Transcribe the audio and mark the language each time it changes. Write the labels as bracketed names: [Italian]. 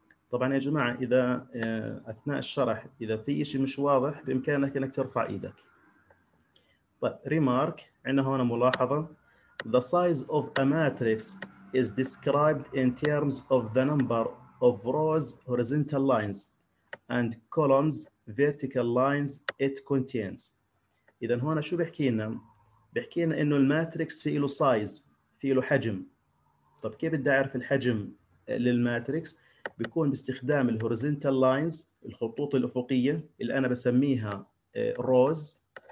[Arabic] طبعا يا جماعة إذا أثناء الشرح إذا في إشي مش واضح بإمكانك إنك ترفع إيدك. [English] طيب remark، [Arabic] عندنا هنا ملاحظة [English] the size of a matrix is described in terms of the number of rows horizontal lines and columns vertical lines it contains. [Arabic] إذا هنا شو بحكي لنا؟ بحكي لنا إنه الماتريكس في له size، في له حجم. طب كيف بدي أعرف الحجم للماتريكس؟ بيكون باستخدام الهوريزنتال لاينز، الخطوط الافقيه اللي انا بسميها روز.